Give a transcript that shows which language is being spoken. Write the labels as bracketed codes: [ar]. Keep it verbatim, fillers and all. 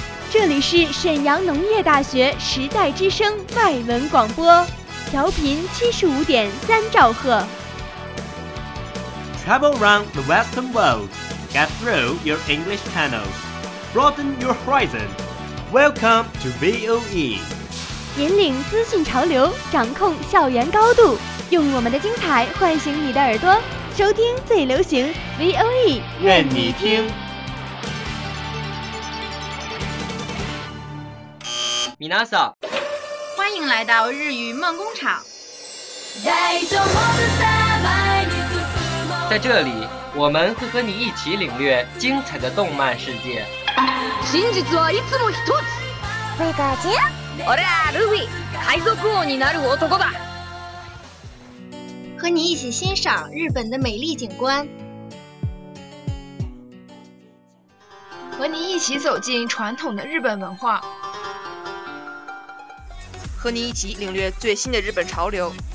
[zh] 这里是沈阳农业大学时代之声外文广播，调频七十五点三兆赫。 [en] Travel round the Western world, get through your English channels, broaden your horizon. Welcome to V O E。 [zh] 引领资讯潮流，掌控校园高度，用我们的精彩唤醒你的耳朵，收听最流行 V O E，愿你听。米娜桑，欢迎来到日语梦工厂。在这里，我们会和你一起领略精彩的动漫世界。 [ja] 真実はいつも一つ。メガジン。俺はルフィ、海賊王になる男だ。 [zh] 和你一起欣赏日本的美丽景观，和你一起走进传统的日本文化，和你一起领略最新的日本潮流。